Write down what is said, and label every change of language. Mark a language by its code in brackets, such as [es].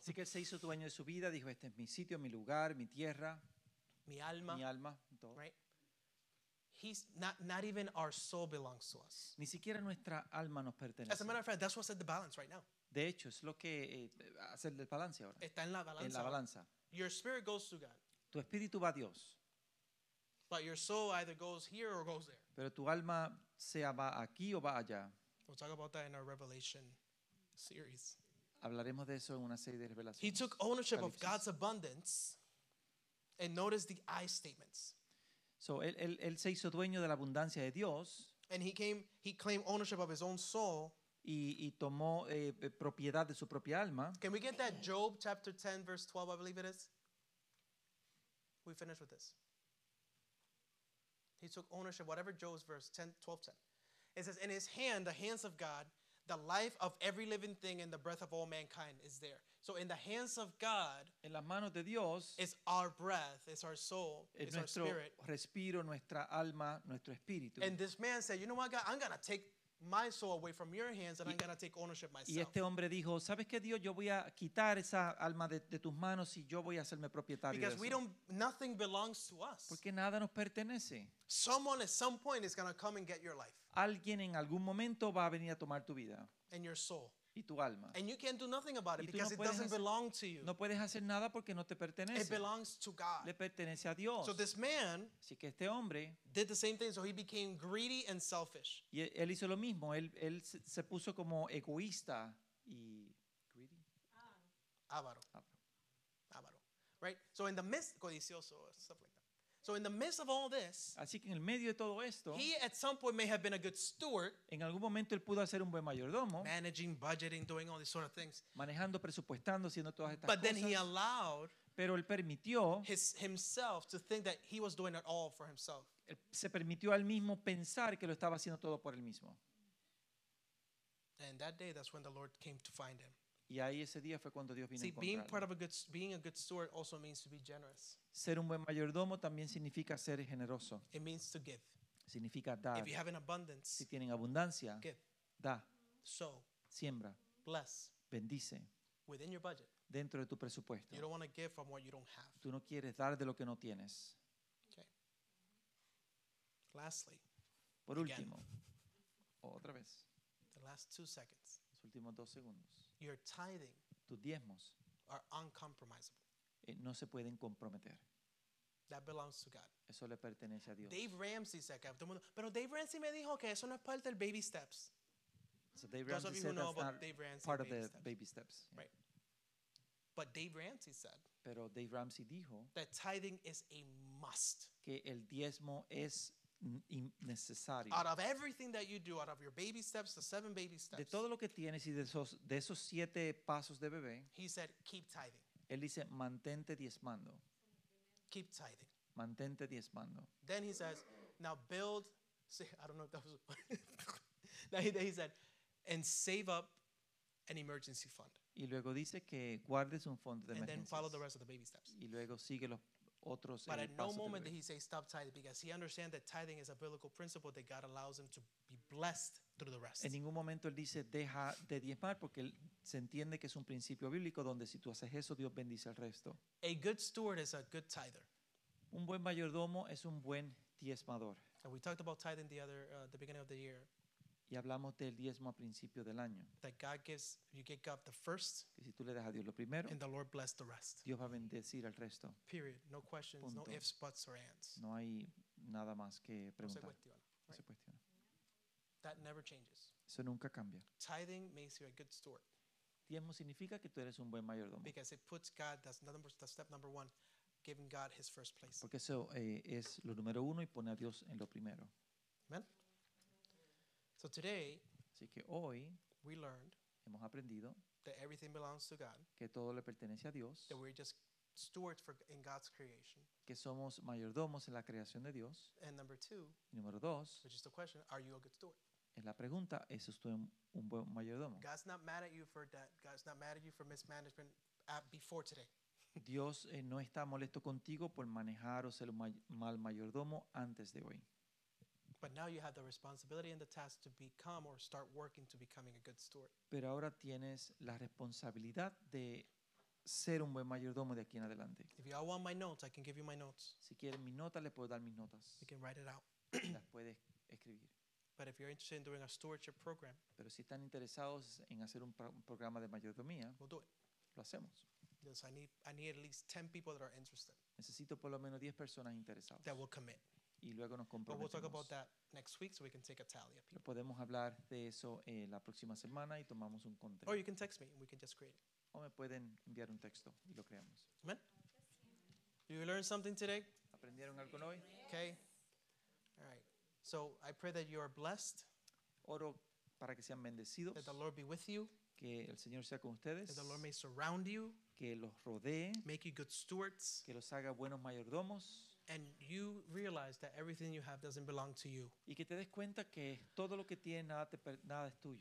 [es] Así que se hizo dueño de su vida. Dijo, este es mi sitio, mi lugar, mi tierra. Mi alma. Todo. [en] Right? He's not even our soul belongs to us. [es] Ni siquiera nuestra alma nos pertenece. [en] As a matter of fact, that's what's at the balance right now. [es] De hecho, es lo que hace el balance ahora. Está en la balanza. En la balanza. [en] Your spirit goes to God. [es] Tu espíritu va a Dios. [en] But your soul either goes here or goes there. [es] Pero tu alma sea va aquí o va allá. [en] We'll talk about that in our Revelation series. [es] Hablaremos de eso en una serie de revelaciones. [en] He took ownership of God's abundance, and notice the I statements. [es] So él se hizo dueño de la abundancia de Dios. [en] And he claimed ownership of his own soul. [es] Y tomó propiedad de su propia alma. [en] Can we get that Job chapter 10 verse 12? I believe it is. We finish with this. He took ownership, whatever Job's verse 10, 12, 10. It says, in his hand, the hands of God, The life of every living thing and the breath of all mankind is there. So in the hands of God, [es] en las manos de Dios, [en] is our breath, is our soul, is our spirit. [es] Respiro, nuestra alma, nuestro espíritu. [en] And this man said, you know what, God, I'm going to take my soul away from your hands and I'm going to take ownership myself. [es] Y este hombre dijo, ¿sabes qué, Dios? Yo voy a quitar esa alma de tus manos y yo voy a hacerme propietario [en] because [es] de eso. [en] Because nothing belongs to us. [es] Porque nada nos pertenece. [en] Someone at some point is going to come and get your life. [es] Alguien en algún momento va a venir a tomar tu vida. [en] And your soul. [es] Y tu alma. [en] And you can't do nothing about it because it doesn't belong to you. [es] No puedes hacer nada porque no te pertenece. [en] It belongs to God. [es] Le pertenece a Dios. [en] So this man, [es] así que este hombre, [en] did the same thing. So he became greedy and selfish. [es] Y él hizo lo mismo. Él se puso como egoísta y [en] greedy. [es] Avaro. Avaro. [en] Right? So in the midst, [es] codicioso, [en] stuff like that. So in the midst of all this, [es] así que en el medio de todo esto, [en] he at some point may have been a good steward, [es] en algún momento él pudo hacer un buen mayordomo, [en] managing, budgeting, doing all these sort of things, [es] manejando, presupuestando, haciendo todas estas [en] but then he allowed, [es] pero él permitió, [en] himself to think that he was doing it all for himself. [es] Él se permitió al mismo pensar que lo estaba haciendo todo por él mismo. [en] And that day, that's when the Lord came to find him. [es] Y ahí ese día fue cuando Dios vino. [en] See, being part of a good, being a good steward also means to be generous. [es] Ser un buen mayordomo también significa ser generoso. [en] It means to give. [es] Significa dar. [en] If you have an abundance, [es] si tienen abundancia, [en] give. [es] Da. [en] Sow. [es] Siembra. [en] Bless. [es] Bendice. [en] Within your budget. [es] Dentro de tu presupuesto. [en] You don't want to give from what you don't have. [es] Tú no quieres dar de lo que no tienes. [en] Okay. Lastly. [es] Por último. [en] Again. [es] Otra vez. [en] The last 2 seconds. [es] Los últimos 2 segundos. [en] Your tithing, [es] tus diezmos, [en] are uncompromisable. [es] No se pueden comprometer. [en] That belongs to God. [es] Eso le pertenece a Dios. Dave Ramsey [en] said, [es] "Todo mundo, pero Dave Ramsey me dijo que eso no es parte del baby steps." [en] So Dave Ramsey said, "That's not Dave Ramsey part of baby the baby steps." Yeah. Right. But Dave Ramsey said, [es] pero Dave Ramsey dijo, [en] that tithing is a must. [es] Que el diezmo es necesario. [en] Out of everything that you do, out of your baby steps, the 7 baby steps. [es] De todo lo que tienes y de esos 7 pasos de bebé. [en] He said, keep tithing. [es] Él dice, mantente diezmando. [en] Keep tithing. [es] Mantente diezmando. [en] Then he says, now build. See, I don't know if that was. Then he said, and save up an emergency fund. [es] Y luego dice que guardes un fondo de emergencia. [en] And then follow the rest of the baby steps. [es] Y luego sigue los. [en] But at no moment did he say stop tithing because he understands that tithing is a biblical principle that God allows him to be blessed through the rest. [es] En ningún momento él dice deja de diezmar porque él se entiende que es un principio bíblico donde si tú haces eso Dios bendice el resto. [en] A good steward is a good tither. [es] Un buen mayordomo es un buen diezmador. [en] And we talked about tithing the beginning of the year. [es] Y hablamos del diezmo a principio del año. [en] That God gives, you give God the first, [es] que si tú le das a Dios lo primero, [en] and the Lord bless the rest. [es] Dios va a bendecir al resto. [en] Period. No questions, [es] punto. [en] No ifs, buts, or ands. [es] No hay nada más que preguntar. No se cuestiona. [en] Right. [es] Se cuestiona. [en] That never changes. [es] Eso nunca cambia. [en] Tithing makes you a good steward. [es] Diezmo significa que tú eres un buen mayordomo. [en] Because it puts God, that's step number one, giving God his first place. [es] Porque eso es lo número uno y pone a Dios en lo primero. [en] Amen. So today, [es] así que hoy, [en] we learned, [es] hemos aprendido, [en] that everything belongs to God, [es] que todo le pertenece a Dios, [en] that we're just stewards for in God's creation, [es] que somos mayordomos en la creación de Dios, [en] and number two, [es] y número dos, [en] which is the question, are you a good steward? [es] Es la pregunta, ¿es usted un buen mayordomo? [en] God's not mad at you for that. God's not mad at you for mismanagement before today. [es] Dios no está molesto contigo por manejar o ser un mal mayordomo antes de hoy. [en] But now you have the responsibility and the task to become or start working to becoming a good steward. [es] Pero ahora tienes la responsabilidad de ser un buen mayordomo de aquí en adelante. [en] If you all want my notes, I can give you my notes. [es] Si quieren mi nota, le puedo dar mis notas. [en] You can write it out. [es] Las puedes escribir. [en] But if you're interested in doing a stewardship program, [es] pero si están interesados en hacer un programa de mayordomía, [en] we'll do it. [es] Lo hacemos. [en] Yes, I need at least 10 people that are interested. [es] Necesito por lo menos 10 personas interesadas. [en] That will commit. [es] Y luego nos comprometemos. [en] But we'll talk about that next week so we can take a tally of people. [es] Podemos hablar de eso la próxima semana y tomamos un conteo. [en] Or you can text me and we can just create it. [es] O me pueden enviar un texto y lo creamos. [en] Amen. You learn something today? [es] ¿Aprendieron algo hoy? [en] Okay. All right. So I pray that you are blessed. [es] Oro para que sean bendecidos. [en] That the Lord be with you. [es] Que el Señor sea con ustedes. [en] That the Lord may surround you. [es] Que los rodee. [en] Make you good stewards. [es] Que los haga buenos mayordomos. [en] And you realize that everything you have doesn't belong to you. [es] Y que te des cuenta que todo lo que tienes nada es tuyo.